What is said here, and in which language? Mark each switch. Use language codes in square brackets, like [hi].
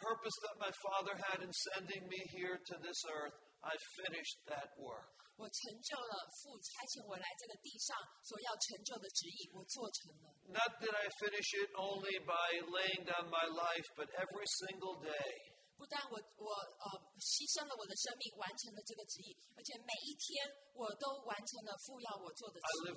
[en] purpose that my Father had in sending me here to this earth, I finished that work. [zh] 我成就了父差遣我来这个地上所要成就的旨意，我做成了。 [en] Not that I finish it only by laying down my life, but every single day. [zh] 不但我牺牲了我的生命，完成了这个旨意，而且每一天我都完成了父要我做的旨意。